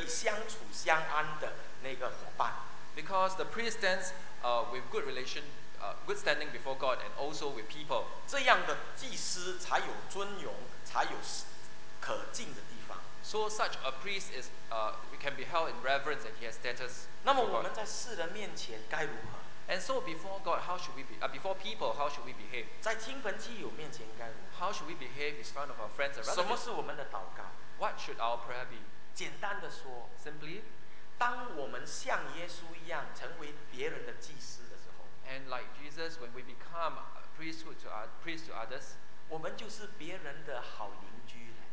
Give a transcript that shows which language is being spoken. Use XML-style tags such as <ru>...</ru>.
<zh>因为祭司一方面跟神和好，一方面也要跟人成为可以相处相安的那个伙伴。</zh> <en>Because the priest stands with good relation, good standing before God, and also with people.</en> <zh>这样的祭司才有尊荣，才有可敬的地方。</zh> <en>So such a priest is can be held in reverence and he has status.</en> <zh>那么我们在世人面前该如何？</zh> <en>And so before God, how should we be? Before people, how should we behave?</en> <zh>在亲朋戚友面前该如何？</zh> <en>How should we behave in front of our friends and relatives?</en> <zh>什么是我们的祷告？</zh> <en>What should our prayer be?</en> <zh>简单的说，</zh> <en>Simply,</en> <zh>当我们像耶稣一样成为别人的祭司的时候，</zh> <en>And like Jesus, when we become a priesthood to our, priest to others,</en> <zh>我们就是别人的好邻居。</zh>